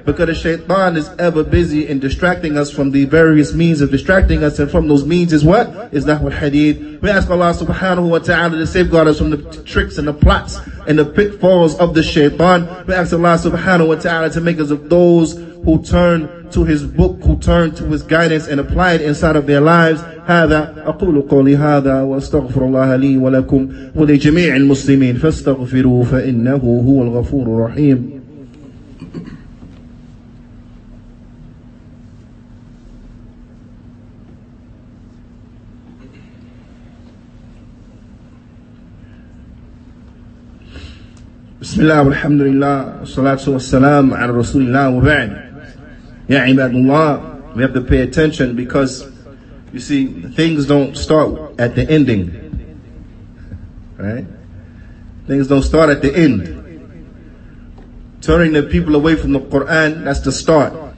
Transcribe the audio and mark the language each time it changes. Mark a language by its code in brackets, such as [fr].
[en] Because the shaitan is ever busy in distracting us from the various means of distracting us. And from those means is what? Is that what hadith? We ask Allah subhanahu wa ta'ala to safeguard us from the tricks and the plots and the pitfalls of the shaitan. We ask Allah subhanahu wa ta'ala to make us of those who turn to his book, who turn to his guidance and apply it inside of their lives. [ar] هذا أقول قولي هذا وأستغفر الله لي ولكم ولجميع المسلمين فاستغفروه فإنه هو الغفور الرحيم. بسم الله والحمد لله والصلاة والسلام على رسول الله وبعد. يا عباد الله, [en] we have to pay attention because you see, things don't start at the ending, right? Things don't start at the end. Turning the people away from the Quran, that's the start.